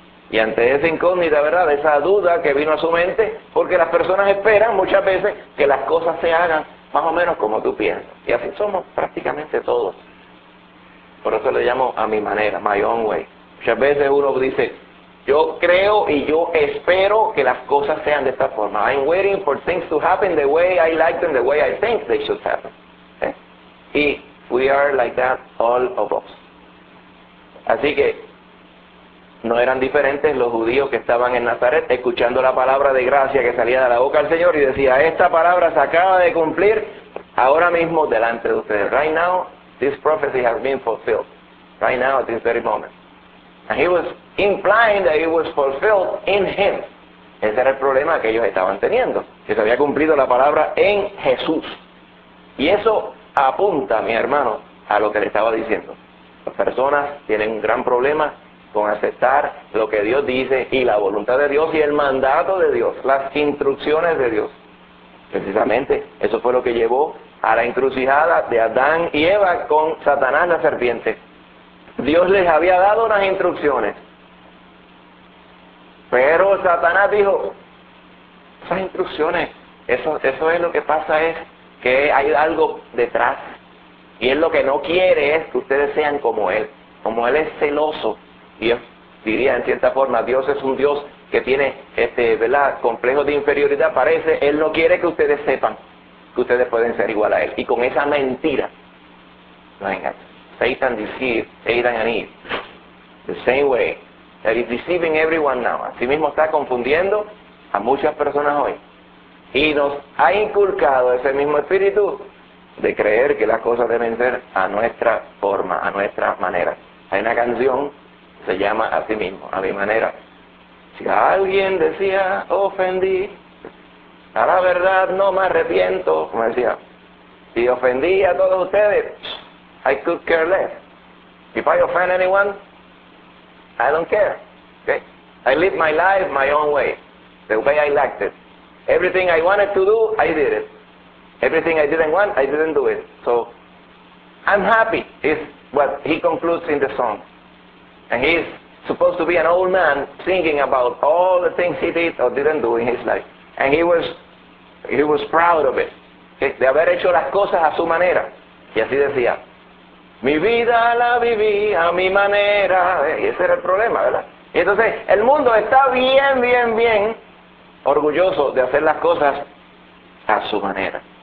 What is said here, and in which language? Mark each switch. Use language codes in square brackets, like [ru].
[es] Y ante esa incógnita, ¿verdad? Esa duda que vino a su mente, porque las personas esperan muchas veces que las cosas se hagan más o menos como tú piensas. Y así somos prácticamente todos. Por eso le llamo a mi manera, [en] my own way. [es] Muchas veces uno dice, Yo creo y yo espero que las cosas sean de esta forma. [en] I'm waiting for things to happen the way I like them, the way I think they should happen. Y we are like that, all of us. [es] Así que no eran diferentes los judíos que estaban en Nazaret escuchando la palabra de gracia que salía de la boca del Señor y decía: esta palabra se acaba de cumplir ahora mismo delante de ustedes. [en] Right now, this prophecy has been fulfilled. Right now, at this very moment. And he was implying that it was fulfilled in him. [es] Ese era el problema que ellos estaban teniendo, que se había cumplido la palabra en Jesús. Y eso apunta, mi hermano, a lo que le estaba diciendo. Las personas tienen un gran problema con aceptar lo que Dios dice y la voluntad de Dios y el mandato de Dios, las instrucciones de Dios. Precisamente, eso fue lo que llevó a la encrucijada de Adán y Eva con Satanás, la serpiente. Dios les había dado unas instrucciones, pero Satanás dijo: esas instrucciones, eso es lo que pasa, es que hay algo detrás, y él lo que no quiere es que ustedes sean como él. Como él es celoso, y yo diría en cierta forma, Dios es un Dios que tiene ¿verdad?, complejo de inferioridad, parece, él no quiere que ustedes sepan que ustedes pueden ser igual a él, y con esa mentira lo engañan. [en] Satan deceived Adam and Eve. The same way that he's deceiving everyone now. [es] Así mismo está confundiendo a muchas personas hoy. Y nos ha inculcado ese mismo espíritu de creer que las cosas deben ser a nuestra forma, a nuestra manera. Hay una canción que se llama así mismo, a mi manera. Si alguien decía ofendí, a la verdad no me arrepiento, como decía. Si ofendí a todos ustedes, [en] I could care less. If I offend anyone, I don't care. Okay? I live my life my own way, the way I liked it. Everything I wanted to do, I did it. Everything I didn't want, I didn't do it. So I'm happy is what he concludes in the song. And he's supposed to be an old man thinking about all the things he did or didn't do in his life. And he was proud of it. Okay? [es] De haber hecho las cosas a su manera. Y así decía: mi vida la viví a mi manera. Y ese era el problema, ¿verdad? Y entonces el mundo está bien, bien, bien orgulloso de hacer las cosas a su manera.